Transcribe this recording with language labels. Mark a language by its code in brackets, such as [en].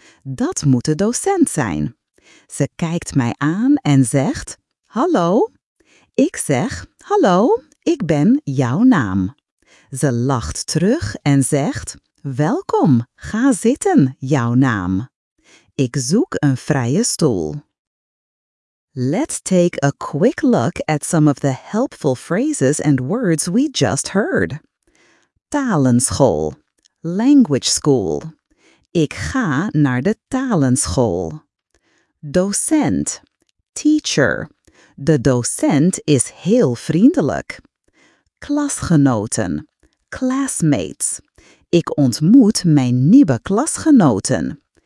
[nl] Dat moet de docent zijn. Ze kijkt mij aan en zegt: "Hallo." Ik zeg: "Hallo, ik ben jouw naam." Ze lacht terug en zegt: "Welkom, ga zitten, jouw naam." Ik zoek een vrije stoel. [en] Let's take a quick look at some of the helpful phrases and words we just heard. [nl] Talenschool, [en] language school. [nl] Ik ga naar de talenschool. Docent, teacher. De docent is heel vriendelijk. Klasgenoten, classmates. Ik ontmoet mijn nieuwe klasgenoten.